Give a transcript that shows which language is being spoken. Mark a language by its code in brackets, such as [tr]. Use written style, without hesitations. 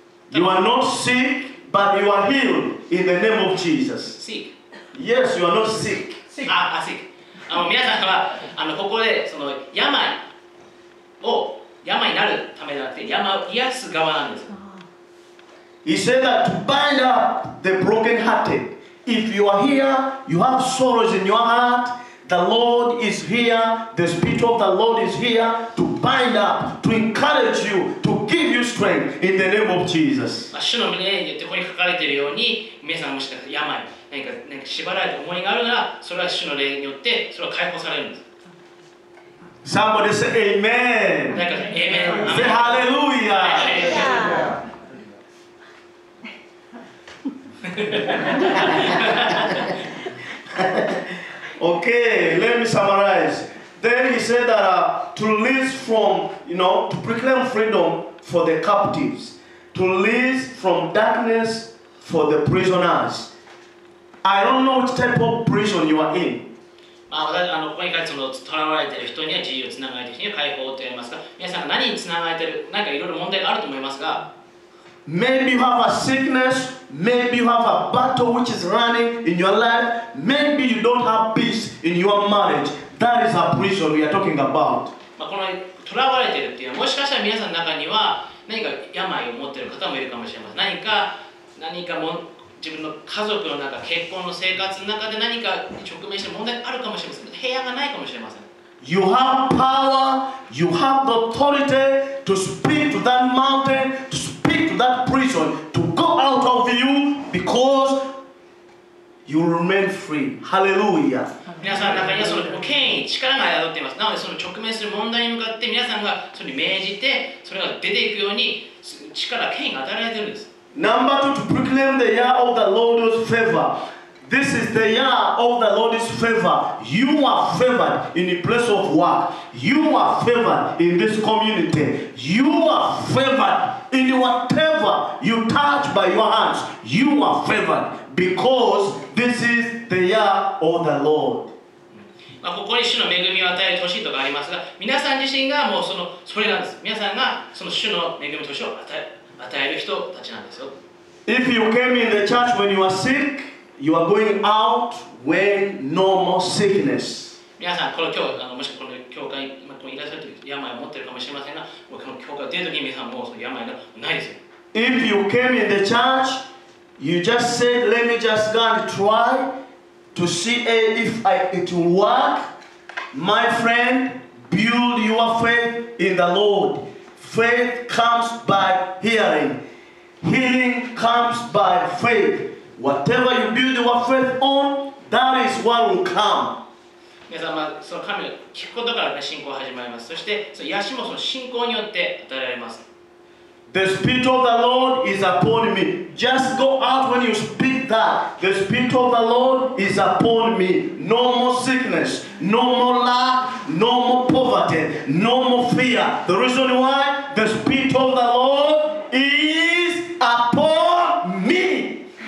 [en] You are not sick, but you are healed in the name of Jesus. Sick. Yes, you are not sick. Sick. Sick. [ja] 皆さんはここでその病を病になるためではなくて、病を癒す側なんです。 [en] He said that to bind up the brokenhearted. If you are here, you have sorrows in your heart, the Lord is here, the Spirit of the Lord is here to bind up, to encourage you, to give you strength in the name of Jesus. [ja] 主の御霊によってここに書かれているように、皆さんもしかしたら病、何か縛られた思いがあるなら、それは主の霊によってそれは解放されるんです。 [en] Somebody say Amen. Say Hallelujah. Okay, let me summarize. Then he said that to release from, you know, to proclaim freedom for the captives, to release from darkness for the prisoners. I don't know which type of prison you are in. [ja] ここに書いてその囚われている人には自由をつながれている人には解放と言いますか。皆さんが何につながれている、何かいろいろ問題があると思いますが。 [en] Maybe you have a sickness. Maybe you have a battle which is running in your life. Maybe you don't have peace in your marriage. That is a prison we are talking about. [ja] この囚われているっていうのは、もしかしたら皆さんの中には何か病を持っている方もいるかもしれません。何か自分の家族の中、結婚の生活の中で何か直面している問題があるかもしれません。平安がないかもしれません。 [en] You have power, you have the authority to speak to that mountain, to speak to that prison, to go out of you because You remain free. Hallelujah. [ja] 皆さんの中にはその権威、力が宿っています。なのでその直面する問題に向かって皆さんがそれに命じて、それが出ていくように力、権威が与えられているんです。 [en] Number two, to proclaim the year of the Lord's favor. This is the year of the Lord's favor. You are favored in the place of work. You are favored in this community. You are favored in whatever you touch by your hands. You are favored because this is the year of the Lord. [ja] まあ、ここに主の恵みを与える年とかありますが、皆さん自身がもう そのそれなんです。皆さんがその主の恵みの年を与える人たちなんですよ。 [en] If you came in the church when you were sick, you are going out when no more sickness. [ja] 皆さん、この今日、もしこの教会にいらっしゃるという病を持っているかもしれませんが、もうこの教会に出るときに皆さんもうその病がないですよ。 [en] If you came in the church, you just said, let me just go and try. To see if it will work, my friend, build your faith in the Lord. Faith comes by hearing. Healing comes by faith. Whatever you build your faith on, that is what will come. [ja] 皆さん、その神を聞くことから、ね、信仰が始まります。そして、その癒しもその信仰によって与えられます。 [en] The Spirit of the Lord is upon me. Just go out when you speak that. The Spirit of the Lord is upon me. No more sickness, no more lack, no more poverty, no more fear. The reason why? The Spirit of the Lord is upon me.